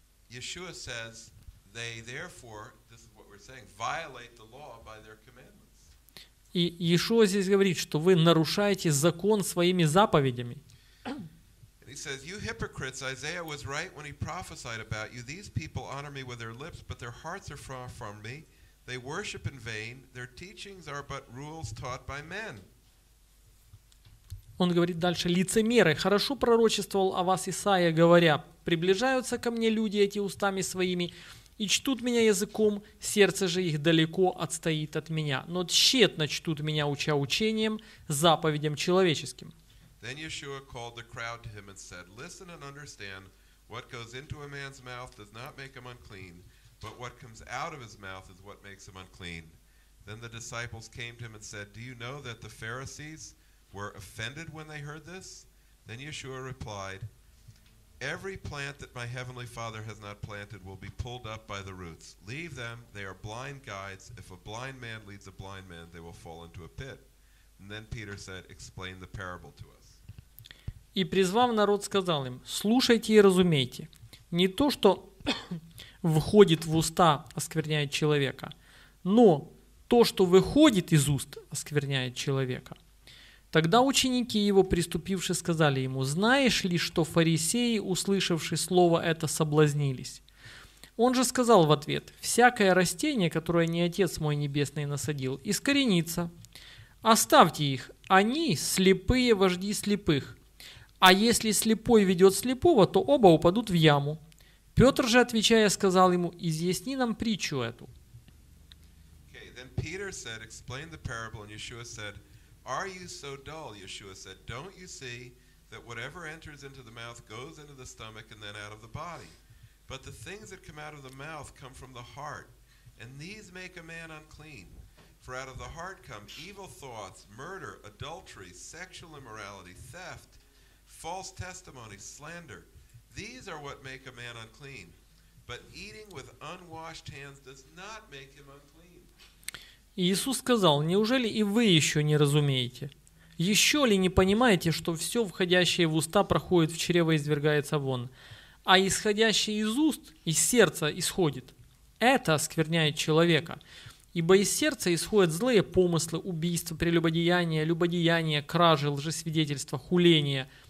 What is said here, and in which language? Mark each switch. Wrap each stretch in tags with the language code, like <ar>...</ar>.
<en>Yeshua says, they therefore, this is what we're saying, violate the law by their commandments. И Yeshua здесь говорит, что вы нарушаете закон своими заповедями. He says, you hypocrites, Isaiah was right when he prophesied about you. These people honor me with their lips, but their hearts are far from me. They worship in vain. Their teachings are but rules taught by men.</en> <ru>Он говорит дальше, лицемеры, хорошо пророчествовал о вас Исаия, говоря, приближаются ко мне люди эти устами своими и чтут меня языком, сердце же их далеко отстоит от меня, но тщетно чтут меня, уча учением, заповедям человеческим.</ru> <en>Then Yeshua called the crowd to him and said, listen and understand, what goes into a man's mouth does not make him unclean, but what comes out of his mouth is what makes him unclean. Then the disciples came to him and said, do you know that the Pharisees were offended when they heard this? Then Yeshua replied, every plant that my heavenly Father has not planted will be pulled up by the roots. Leave them, they are blind guides. If a blind man leads a blind man, they will fall into a pit. And then Peter said, explain the parable to us.</en> <ru>И призвав народ, сказал им, слушайте и разумейте. Не то, что входит в уста, оскверняет человека. Но то, что выходит из уст, оскверняет человека. Тогда ученики его, приступивши, сказали ему: «Знаешь ли, что фарисеи, услышавши слово это, соблазнились?» Он же сказал в ответ: «Всякое растение, которое не Отец мой Небесный насадил, искоренится. Оставьте их, они слепые вожди слепых. А если слепой ведет слепого, то оба упадут в яму». Петр же, отвечая, сказал ему: «Изъясни нам притчу эту».</ru> <en>Okay, then Peter said, explain the parable, and Yeshua said, are you so dull, Yeshua said, don't you see that whatever enters into the mouth goes into the stomach and then out of the body? But the things that come out of the mouth come from the heart, and these make a man unclean. For out of the heart come evil thoughts, murder, adultery, sexual immorality, theft, false testimony, slander. These are what make a man unclean. But eating with unwashed hands does not make him unclean.</en> <ru>Иисус сказал: «Неужели и вы еще не разумеете? Еще ли не понимаете, что все, входящее в уста, проходит в чрево и извергается вон? А исходящее из уст, из сердца исходит. Это оскверняет человека. Ибо из сердца исходят злые помыслы, убийства, прелюбодеяния, любодеяния, кражи, лжесвидетельства, хуления.</ru>